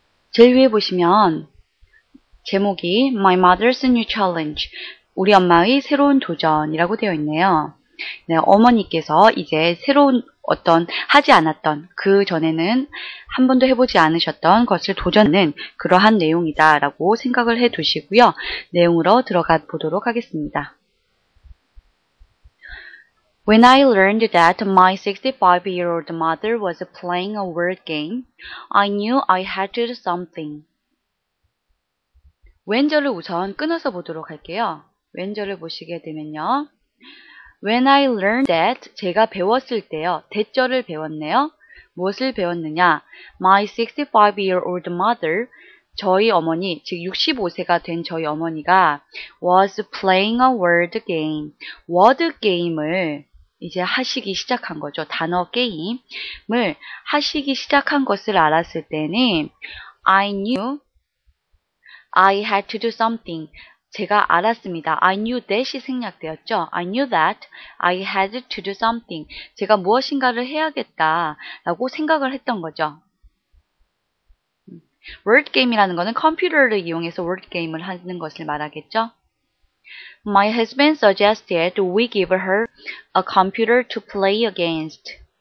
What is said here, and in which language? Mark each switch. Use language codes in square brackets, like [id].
[ko] 제일 위에 보시면 제목이 [en] My Mother's New Challenge, [ko] 우리 엄마의 새로운 도전이라고 되어 있네요. 네, 어머니께서 이제 새로운 어떤 하지 않았던 그 전에는 한 번도 해보지 않으셨던 것을 도전하는 그러한 내용이다라고 생각을 해두시고요. 내용으로 들어가 보도록 하겠습니다. [en] When I learned that my 65-year-old mother was playing a word game, I knew I had to do something. [ko] 왼절을 우선 끊어서 보도록 할게요. 왼절을 보시게 되면요. [en] When I learned that, [ko] 제가 배웠을 때요. that절을 배웠네요. 무엇을 배웠느냐? [en] My 65-year-old mother, [ko] 저희 어머니, 즉 65세가 된 저희 어머니가 [en] was playing a word game. [ko] word game을 이제 하시기 시작한 거죠. 단어 게임을 하시기 시작한 것을 알았을 때는 [en] I knew I had to do something. [ko] 제가 알았습니다. [en] I knew that [ko] 이 생략되었죠. [en] I knew that I had to do something. [ko] 제가 무엇인가를 해야겠다라고 생각을 했던 거죠. Word game이라는 것은 컴퓨터를 이용해서 word game을 하는 것을 말하겠죠. [en] My husband suggested we give her a computer to play against.